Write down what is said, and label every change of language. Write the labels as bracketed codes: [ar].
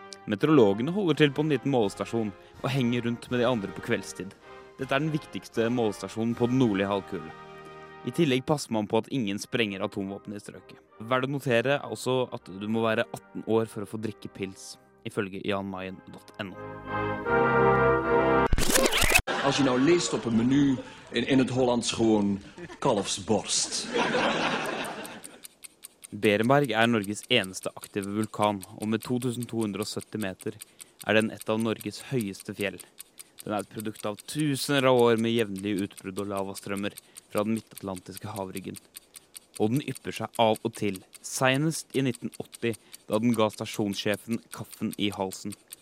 [no] Meteorologene holder til på en liten målestasjon og henger rundt med de andre på kveldstid. Dette er den viktigste målestasjonen på den nordlige halvkule. I tillegg passer man på at ingen sprenger atomvåpen i strøket. Verd å notere også at du må være 18 år for å få drikke pils, ifølge janmayen.no. [nl] Als je nou leest op een menu in het Hollands gewoon kalfsborst. [no] Berenberg er Norges eneste aktive vulkan, og med 2270 meter er den et av Norges høyeste fjell. Den er et produkt av tusener av år med jevnlige utbrudd og lavastrømmer fra den midtatlantiske havryggen. Og den ypper seg av og til, senest i 1980, da den ga stasjonssjefen kaffen i halsen.